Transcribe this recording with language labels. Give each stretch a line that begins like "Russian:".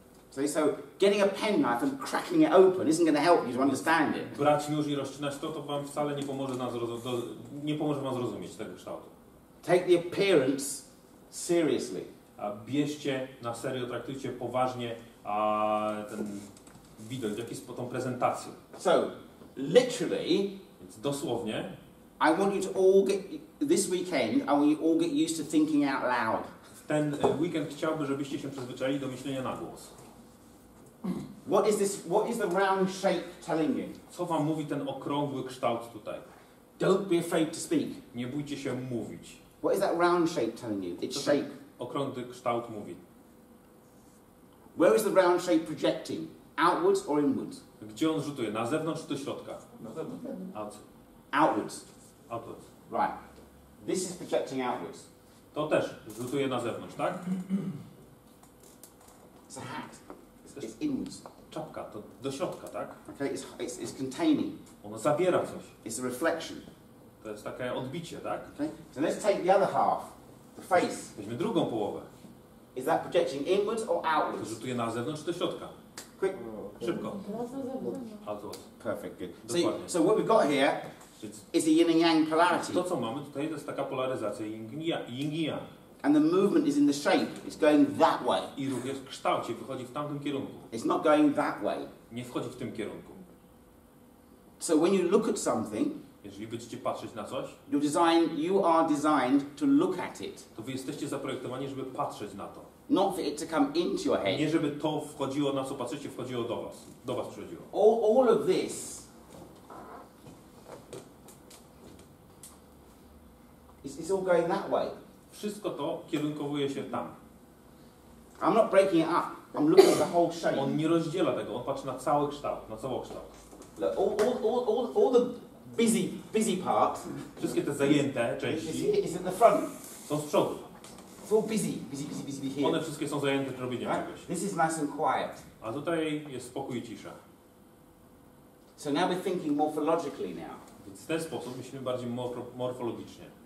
English: So getting a penknife and cracking it open isn't going to help you to understand it.
Polish: Brać nóż i rozcinać to, to wam wcale nie pomoże zrozumieć tego kształtu.
English: Take the appearance seriously.
Polish: A bierzcie na serio, traktujcie poważnie ten widok, jakiś po tą prezentację.
English: So literally,
Polish: więc dosłownie,
English: I want you to all get this weekend, I want you all get used to thinking out loud.
Polish: Ten weekend chciałbym, żebyście się przyzwyczaili do myślenia na głos.
English: What is this? What is the round shape telling you?
Polish: Co wam mówi ten okrągły kształt tutaj?
English: Don't be afraid to speak.
Polish: Nie bójcie się mówić.
English: What is that round shape telling you? It's shape.
Polish: Okrągły kształt mówi.
English: Where is the round shape projecting? Outwards or inwards?
Polish: Gdzie on rzutuje? Na zewnątrz czy do środka? Na zewnątrz.
English: Outwards. Outwards. Right. This is projecting outwards.
Polish: To też rzutuje na zewnątrz, tak?
English: It's a hat. It's inwards.
Polish: Czapka, to do środka, tak?
English: Okay, it's containing.
Polish: Ono zabiera coś.
English: It's a reflection.
Polish: To jest takie odbicie, tak?
English: Okay. So let's take the other half, the face.
Polish: Weźmy drugą połowę.
English: Is that projecting inwards or outwards?
Polish: To rzutuje na zewnątrz czy do środka?
English: Quick.
Polish: Szybko.
English: Outwards. Perfect, good. So what we've got here is a yin and yang polarity.
Polish: To co mamy tutaj, to jest taka polaryzacja yin i yang.
English: And the movement is in the shape. It's going that way.
Polish: I ruch jest w kształcie, wychodzi w tamtym kierunku.
English: It's not going that way.
Polish: Nie wchodzi w tym kierunku.
English: So when you look at something,
Polish: jeżeli będziecie patrzeć na coś,
English: you are designed to look at it.
Polish: To wy jesteście zaprojektowani, żeby patrzeć na to.
English: Not for it to come into your head.
Polish: Nie żeby to wchodziło, na co patrzycie, wchodziło do was. Do was przychodziło.
English: All of this. It's all going that way.
Polish: Wszystko to kierunkowuje się tam.
English: I'm not breaking it up. I'm looking at the whole shape.
Polish: On nie rozdziela tego. On patrzy na cały kształt, na cały kształt.
English: Look, all the busy parts.
Polish: Wszystkie te zajęte części.
English: It's in the front.
Polish: Są z przodu.
English: It's all busy here.
Polish: One wszystkie są zajęte robieniem czegoś.
English: This is nice and quiet.
Polish: A tutaj jest spokój i cisza.
English: So now we're thinking morphologically now.
Polish: Więc w ten sposób myślimy bardziej morfologicznie.